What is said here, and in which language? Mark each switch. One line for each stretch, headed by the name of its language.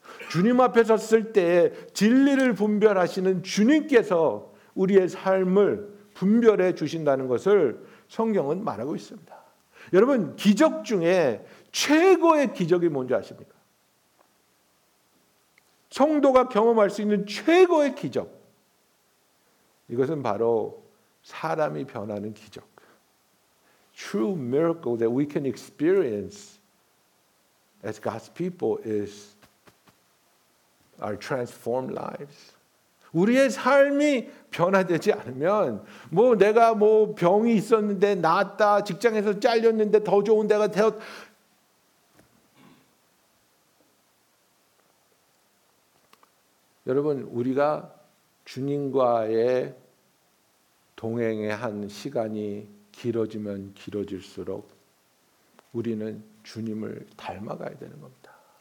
Korean: 주님 앞에 섰을 때 진리를 분별하시는 주님께서 우리의 삶을 분별해 주신다는 것을 성경은 말하고 있습니다. 여러분 기적 중에 최고의 기적이 뭔지 아십니까? 성도가 경험할 수 있는 최고의 기적. 이것은 바로 사람이 변하는 기적.
English: True miracle that we can experience as God's people is our transformed lives.
Korean: 우리의 삶이 변화되지 않으면 뭐 내가 뭐 병이 있었는데 낫다 직장에서 잘렸는데 더 좋은 데가 되었다 여러분 우리가 주님과의 동행의 한 시간이 길어지면 길어질수록 우리는 주님을 닮아가야 되는 겁니다.